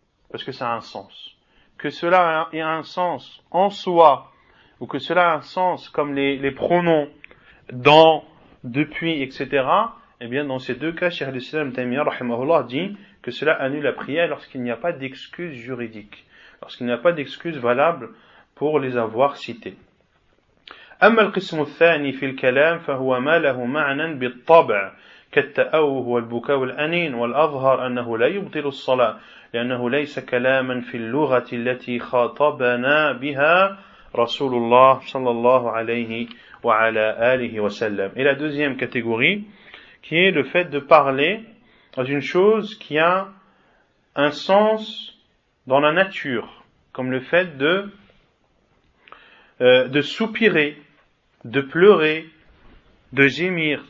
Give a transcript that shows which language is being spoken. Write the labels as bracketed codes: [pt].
[fr] Parce que ça a un sens. Que cela ait un sens en soi, ou que cela a un sens comme les pronoms dans, depuis, etc. Eh bien, dans ces deux cas, Cheikh l'Islam Taymiyyah rahimahullah dit que cela annule la prière lorsqu'il n'y a pas d'excuse juridique, lorsqu'il n'y a pas d'excuse valable pour les avoir cités. [ar] أما القسم الثاني في الكلام فهو ما له معنى بالطبع كالتأوه والبكاء والأنين والأظهر أنه لا يبطل الصلاة لأنه ليس كلاما في اللغة التي خاطبنا بها رسول الله صلى الله عليه وعلى آله وسلم. [fr] Et la deuxième catégorie qui est le fait de parler dans une chose qui a un sens dans la nature, comme le fait de soupirer, de pleurer, de gémir.